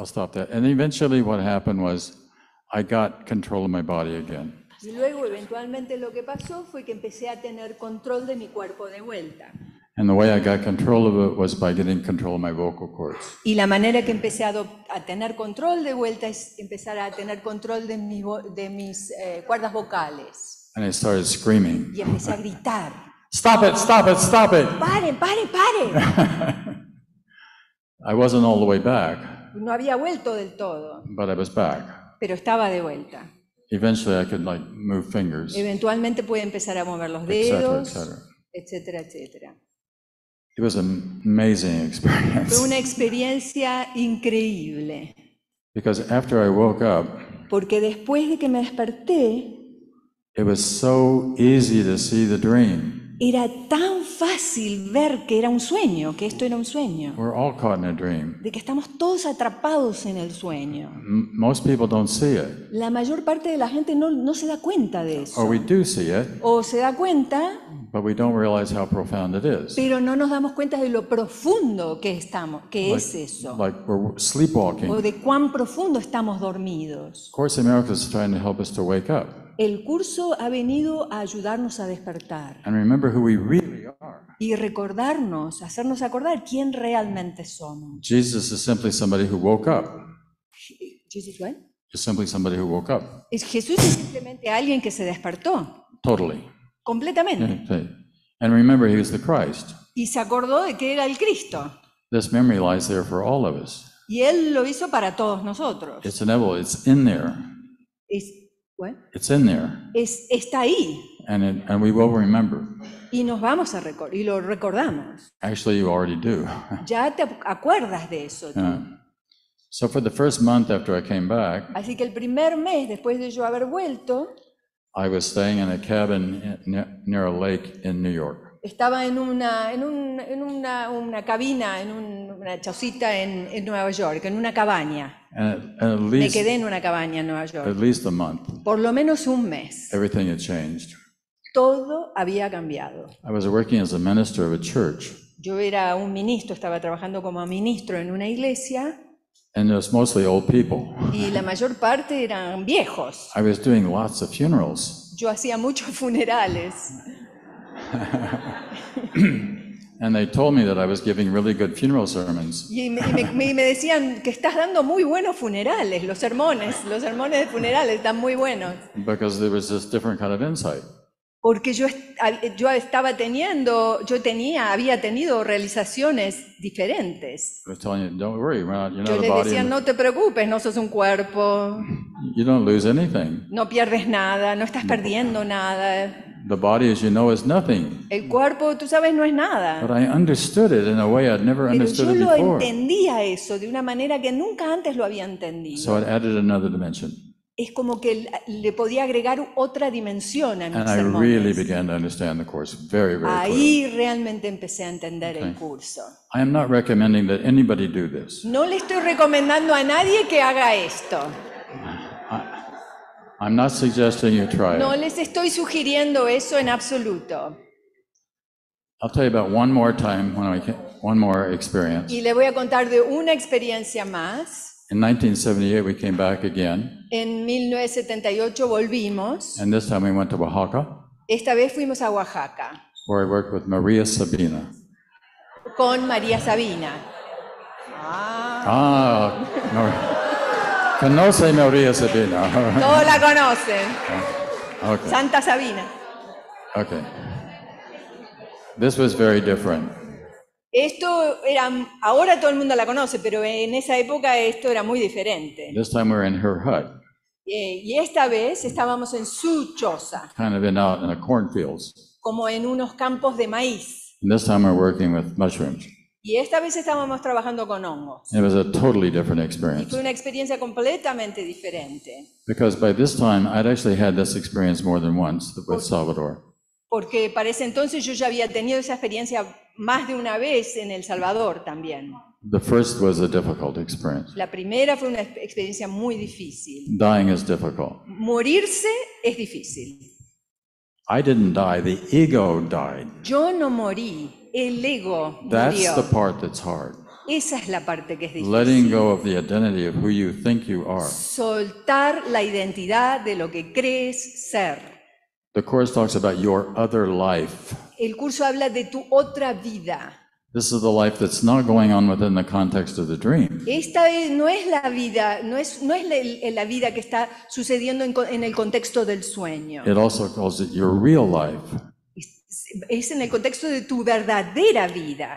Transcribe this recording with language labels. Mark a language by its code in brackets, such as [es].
[en] I'll stop that. And eventually, what happened was, I got control of my body again. [es] Y luego, eventualmente, lo que pasó fue que empecé a tener control de mi cuerpo de vuelta. [en] And the way I got control of it was by getting control of my vocal cords. [es] Y la manera que empecé a tener control de vuelta es empezar a tener control de mis cuerdas vocales. [en] And I started screaming. [es] Y empecé a gritar. [en] Stop it, stop it, stop it. [es] Pare, pare, pare. [en] I wasn't all the way back. [es] No había vuelto del todo. [en] But I was back. [es] Pero estaba de vuelta. [en] Eventually I could like move fingers. [es] Eventualmente pude empezar a mover los dedos, etcétera, etcétera. [en] It was an amazing experience. [es] Fue una experiencia increíble. [en] Because after I woke up, [es] porque después de que me desperté, [en] it was so easy to see the dream. [es] Era tan fácil ver que era un sueño, que esto era un sueño. [en] We're all caught in a dream. [es] De que estamos todos atrapados en el sueño. [en] Most people don't see it. [es] La mayor parte de la gente no se da cuenta de eso. [en] Or we do see it. [es] O se da cuenta. [en] But we don't realize how profound it is. [es] Pero no nos damos cuenta de lo profundo que estamos, que [en] like, [es] es eso. [en] Like we're sleepwalking. [es] O de cuán profundo estamos dormidos. [en] Of course, America is trying to help us to wake up. [es] El curso ha venido a ayudarnos a despertar. [en] And remember who we really are. [es] Y recordarnos, hacernos acordar quién realmente somos. [en] Jesus is simply somebody who woke up. Jesus what? Is simply somebody who woke up. [es] Jesús es simplemente alguien que se despertó. [en] Totally. [es] Completamente. [en] Yeah, And remember, he was the Christ. [es] Y se acordó de que era el Cristo. [en] This memory lies there for all of us. [es] Y él lo hizo para todos nosotros. [en] It's inevitable. It's in there. It's in there. [es] Está ahí. [en] And we will remember. [es] Y nos vamos a recordar y lo recordamos. [en] Actually, you already do. [es] Ya te acuerdas de eso. [en] Yeah. So for the first month after I came back. [es] Así que el primer mes después de yo haber vuelto. [en] I was staying in a cabin near a lake in New York. [es] Estaba en una cabina, en una chocita en Nueva York, en una cabaña. [en] At least, [es] me quedé en una cabaña en Nueva York. [en] At least a month. [es] Por lo menos un mes. [en] Everything had changed. [es] Todo había cambiado. [en] I was working as a minister of a church. [es] Yo era un ministro, estaba trabajando como ministro en una iglesia. [en] And it was mostly old people. [es] Y la mayor parte eran viejos. [en] I was doing lots of funerals. [es] Yo hacía muchos funerales. [en] And they told me that I was giving really good funeral sermons. [es] Y me decían que estás dando muy buenos funerales, los sermones de funerales están muy buenos. [en] Because there was this different kind of insight. [es] Porque yo había tenido realizaciones diferentes. Yo le decía, no te preocupes, no sos un cuerpo. [en] You don't lose anything. [es] No pierdes nada, no estás perdiendo nada. [en] The body, as you know, is nothing. [es] El cuerpo, tú sabes, no es nada. [en] But I understood it in a way I'd never understood it before. [es] Pero yo lo entendía eso de una manera que nunca antes lo había entendido. [en] So it added another dimension. [es] Es como que le podía agregar otra dimensión a mis sermones. [en] Really began to understand the course very, very clearly. [es] Ahí realmente empecé a entender el curso. [en] I am not recommending that anybody do this. [es] No le estoy recomendando a nadie que haga esto. [en] I'm not suggesting you try it. [es] No les estoy sugiriendo eso en absoluto. [en] I'll tell you about one more time when I one more experience. [es] Y le voy a contar de una experiencia más. [en] In 1978 we came back again. [es] En 1978 volvimos. [en] And this time we went to Oaxaca. [es] Esta vez fuimos a Oaxaca. [en] Where I worked with Maria Sabina. [es] Con María Sabina. No. Conoce María Sabina. Todos la conocen. [en] Okay. [es] Santa Sabina. [en] Okay. This was very different. [es] Esto era, ahora todo el mundo la conoce, pero en esa época esto era muy diferente. [en] This time we're in her hut. [es] Y esta vez estábamos en su choza. [en] Kind of out in the cornfields. [es] Como en unos campos de maíz. [en] And this time we're working with mushrooms. [es] Y esta vez estábamos trabajando con hongos. [en] It was a totally different experience. [es] Y fue una experiencia completamente diferente. [en] Because by this time I'd actually had this experience more than once with Salvador. [es] Porque para ese entonces yo ya había tenido esa experiencia más de una vez en El Salvador también. [en] The first was a difficult experience. [es] La primera fue una experiencia muy difícil. [en] Dying is difficult. [es] Morirse es difícil. [en] I didn't die, the ego died. [es] Yo no morí, el ego murió. [en] That's the part that's hard. [es] Esa es la parte que es difícil. [en] Letting go of the identity of who you think you are. [es] Soltar la identidad de lo que crees ser. [en] The course talks about your other life. [es] El curso habla de tu otra vida. [en] This is the life that's not going on within the context of the dream. [es] Esta no es la vida, no es la vida que está sucediendo en el contexto del sueño. [en] It also calls it your real life. [es] Es en el contexto de tu verdadera vida.